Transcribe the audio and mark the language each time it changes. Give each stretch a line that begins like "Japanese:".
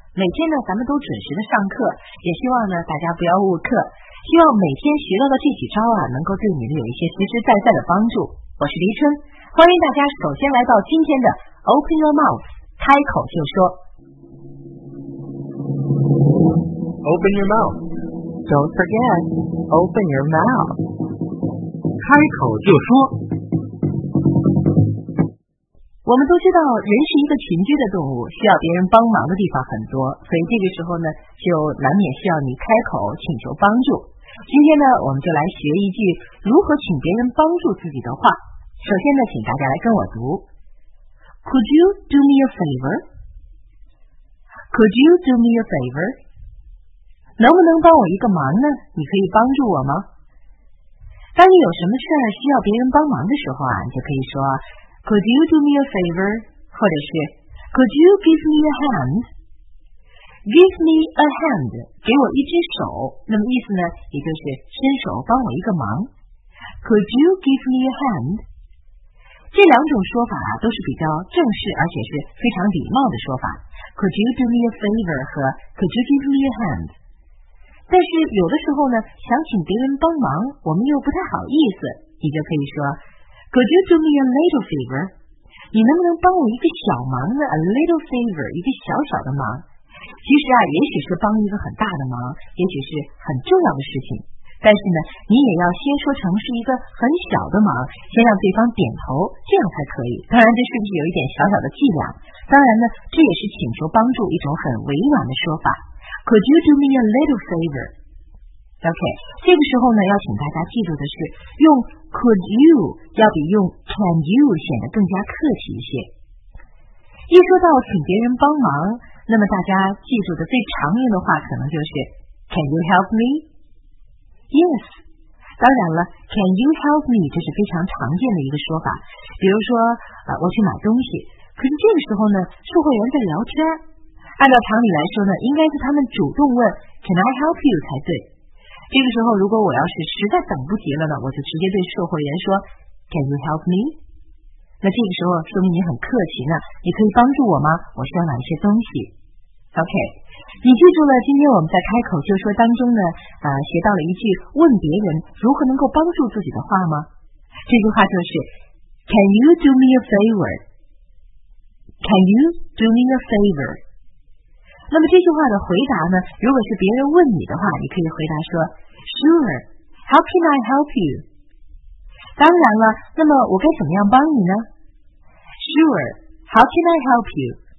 Chinese: 每天呢，咱们都准时的上课，也希望呢大家不要误课，希望每天学到的这几招啊，能够对你们有一些实实在在的帮助。我是黎春，欢迎大家首先来到今天的
English: Open Your Mouth，
Chinese: 开口就说。
English: Open your mouth. Don't forget, open your mouth.
Chinese: 开口就说。我们都知道，人是一个群居的动物，需要别人帮忙的地方很多，所以这个时候呢，就难免需要你开口请求帮助。今天呢，我们就来学一句如何请别人帮助自己的话。首先呢，请大家来跟我读。
English: Could you do me a favor? Could you do me a favor?
Chinese: 能不能帮我一个忙呢？你可以帮助我吗？当你有什么事儿需要别人帮忙的时候啊，你就可以说
English: Could you do me a favor?
Chinese: 或者是
English: Could you give me a hand? Give me a hand,
Chinese: 给我一只手，那么意思呢，也就是伸手帮我一个忙。
English: Could you give me a hand?
Chinese: 这两种说法啊，都是比较正式而且是非常礼貌的说法。
English: Could you do me a favor?
Chinese: 和
English: Could you give me a hand?
Chinese: 但是有的时候呢，想请别人帮忙，我们又不太好意思，你就可以说
English: Could you do me a little favor?
Chinese: 你能不能帮我一个小忙呢？
English: A little favor,
Chinese: 一个小小的忙。其实啊，也许是帮一个很大的忙，也许是很重要的事情，但是呢，你也要先说成是一个很小的忙，先让对方点头，这样才可以。当然这是不是有一点小小的伎俩，当然呢，这也是请求帮助一种很委婉的说法。
English: Could you do me a little favor?
Chinese: OK, 这个时候呢，要请大家记住的是，用 could you 要比用 can you 显得更加客气一些。一说到请别人帮忙，那么大家记住的最常用的话可能就是
English: Can you help me? Yes,
Chinese: 当然了
English: Can you help me?
Chinese: 这是非常常见的一个说法。比如说我去买东西，可是这个时候呢，售货员在聊天，按照常理来说呢，应该是他们主动问
English: Can I help you
Chinese: 才对。这个时候如果我要是实在等不及了呢，我就直接对售货员说
English: Can you help me?
Chinese: 那这个时候说明你很客气呢，你可以帮助我吗？我需要买一些东西。 OK, 你记住了今天我们在开口就说当中呢学到了一句问别人如何能够帮助自己的话吗？这句话就是
English: Can you do me a favor? Can you do me a favor?
Chinese: 那么这句话的回答呢，如果是别人问你的话，你可以回答说
English: Sure, how can I help you?
Chinese: 当然了，那么我该怎么样帮你呢？
English: Sure, how can I help you?